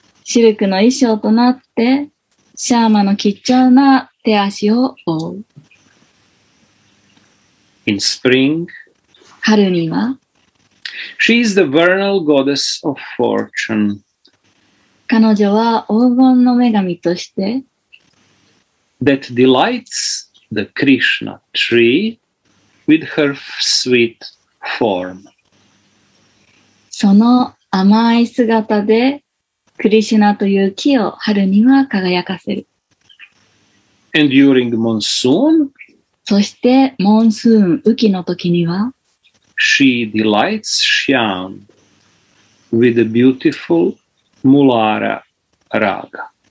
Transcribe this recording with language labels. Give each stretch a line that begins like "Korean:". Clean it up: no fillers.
Japanese: シルクの衣装となって、シャーマの貴重な手足を覆う。
English: In spring,
Japanese: 春には、
English: She is the vernal goddess of fortune.
Japanese: 彼女は黄金の女神として、
English: That delights the Krishna tree with her sweet form.
Japanese: その甘い姿で、クリシュナという木を春には輝かせる。
English: And during the monsoon,
Japanese: そしてモンスーン、雨季の時には、
English: She delights Shyam with a beautiful Mulara Raga.